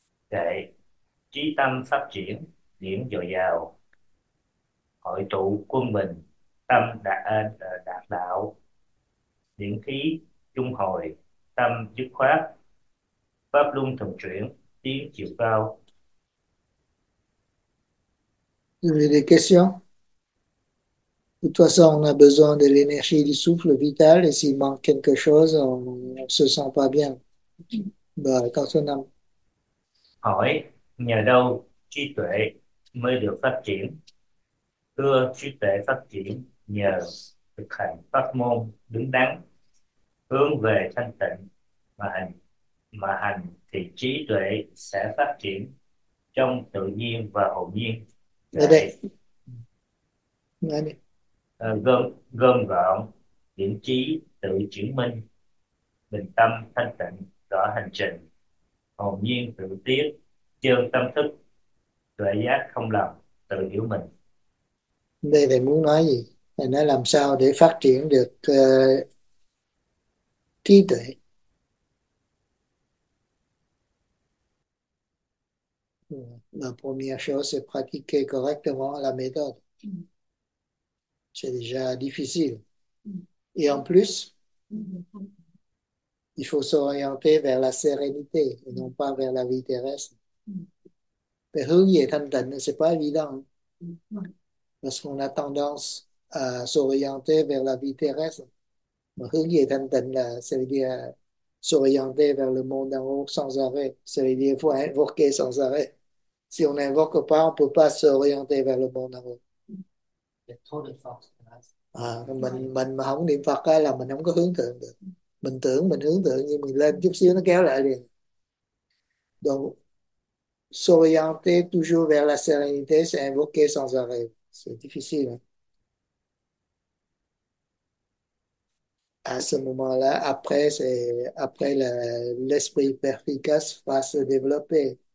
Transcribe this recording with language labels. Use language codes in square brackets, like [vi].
[vi] Kệ: trí tâm phát triển, điểm dồi dào, hội tụ quân bình, tâm đạt đạo, điện khí trung hồi, tâm dứt khoát, pháp luân thường chuyển, tiến chiều cao. [fr] Vous avez des questions? De toute façon, on a besoin de l'énergie du souffle vital et s'il manque quelque chose, on ne se sent pas bien. Bah, quand on a... [vi] Hỏi: nhờ đâu trí tuệ mới được phát triển? Thưa: trí tuệ phát triển nhờ thực hành pháp môn đứng đắn, hướng về thanh tịnh mà hành thì trí tuệ sẽ phát triển trong tự nhiên và hồn nhiên. Nghe đây. Kệ: Nghe đây. gom gọn điển trí tự chứng minh, bình tâm thanh tịnh rõ hành trình, hồn nhiên tự tiến, chân tâm thức tuệ giác không lầm, tự hiểu mình. Đây thầy muốn nói gì? Thầy nói làm sao để phát triển được trí tuệ. [fr] La première chose, c'est pratiquer correctement la méthode. C'est déjà difficile. Et en plus, il faut s'orienter vers la sérénité et non pas vers la vie terrestre. Mais [vi] hướng về thanh tịnh, [fr] ce n'est pas évident. Parce qu'on a tendance à s'orienter vers la vie terrestre. Mais [vi] hướng về thanh tịnh, [fr] ça veut dire s'orienter vers le monde d'en haut sans arrêt. Ça veut dire faut invoquer sans arrêt. Si on n'invoque pas, on ne peut pas s'orienter vers le bon amour. Il y a trop de force. [vi] À, mình mà không niệm Phật ấy, là mình không có hướng thượng được. Mình tưởng mình hướng thượng nhưng mình lên chút xíu nó kéo lại liền. [fr] Donc, s'orienter toujours vers la sérénité, c'est invoquer sans arrêt. C'est difficile. Hein? À ce moment-là, après, c'est après l'esprit perspicace va se développer.